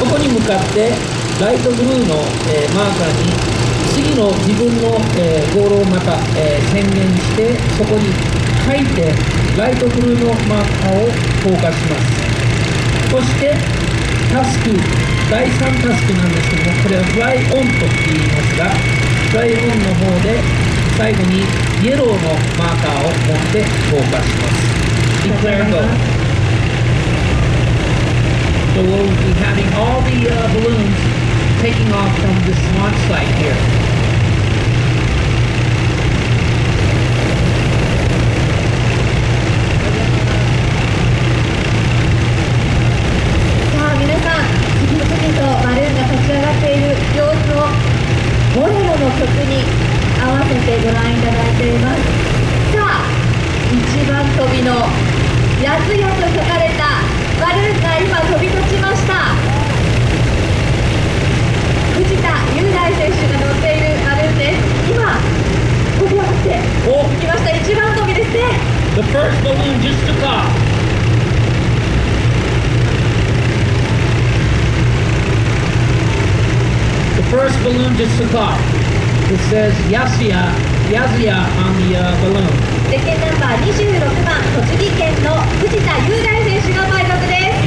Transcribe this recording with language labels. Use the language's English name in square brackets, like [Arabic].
[Japanese] そこに向かってライトブルーの、マーカーに次の自分の、ゴールをまた、宣言して、そこに書いてライトブルーのマーカーを投下します。そしてタスク、第3タスクなんですけども、これはフライオンと言いますが、フライオンの方で最後にイエローのマーカーを持って投下します。 [English] ディクレアゴール。 So we'll be having all the balloons taking off from this launch site here. [Japanese] さあ、皆さん、次々とバルーンが立ち上がっている様子をボレロの曲に合わせてご覧いただいています。さあ、一番飛びのやすやと書かれたバルーンが今飛び立ちました。藤田雄大選手が乗っているバルーンです。今飛び上がって行きました。一番飛びですね。 [English] The first balloon just took off。 The first balloon just took off. It says Yasuya, Yasuya on the balloon. [Japanese] セケンナンバー26番、栃木県の藤田雄大選手のパイロットです。